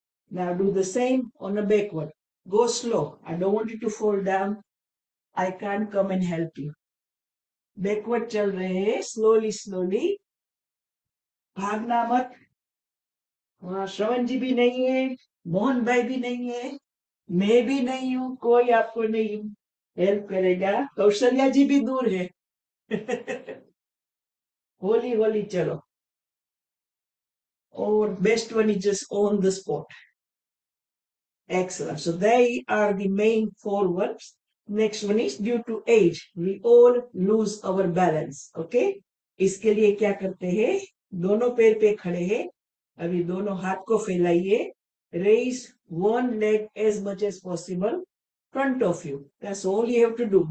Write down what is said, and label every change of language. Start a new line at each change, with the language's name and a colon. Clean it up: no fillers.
English: Now do the same on a backward. Go slow. I don't want you to fall down. I can't come and help you.
Hindi: Backward chal rahe, slowly, slowly. Bhagna mat, श्रवण जी भी नहीं है, मोहन भाई भी नहीं है, मैं भी नहीं हूँ, कोई आपको नहीं हेल्प करेगा, कौशल्या जी भी दूर है. होली होली चलो और
English: Best one is just on the spot. Excellent. So they are the main four verbs. Next one is due to age, we all lose our balance.
Hindi: Okay? इसके लिए क्या करते हैं? दोनों पैर पे खड़े हैं. अभी दोनों हाथ को फैलाइए.
English: Raise one leg as much as possible front of you. That's all you have to do.